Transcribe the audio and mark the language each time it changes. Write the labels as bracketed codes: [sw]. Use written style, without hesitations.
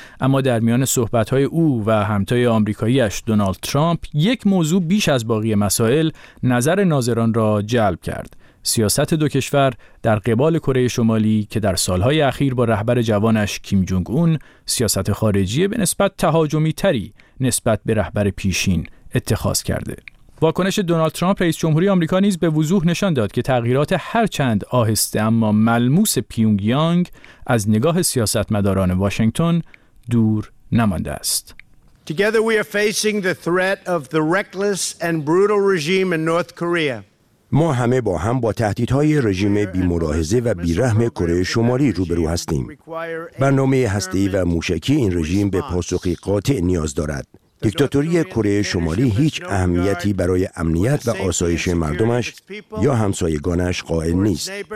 [fa] اما در میان صحبت‌های او و همتای آمریکاییش دونالد ترامپ، یک موضوع بیش از بقیه مسائل نظر ناظران را جلب کرد: سیاست دو کشور در قبال کره شمالی که در سالهای اخیر با رهبر جوانش کیم جونگ اون سیاست خارجی به نسبت تهاجمی تری نسبت به رهبر پیشین اتخاذ کرده. واکنش دونالد ترامپ رئیس جمهوری آمریکا نیز به وضوح نشان داد که تغییرات هرچند آهسته اما ملموس پیونگ یانگ از نگاه سیاستمداران واشنگتن دور نمانده است. [en] Together we are facing the threat of the reckless and brutal regime in North Korea. [fa] ما همه با هم با تهدیدهای رژیم بی‌ملاحظه و بی‌رحم کره شمالی روبرو هستیم. برنامه هسته‌ای و موشکی این رژیم به پاسخی قاطع نیاز دارد. دیکتاتوری کره شمالی هیچ اهمیتی برای امنیت و آسایش مردمش یا همسایگانش قائل نیست.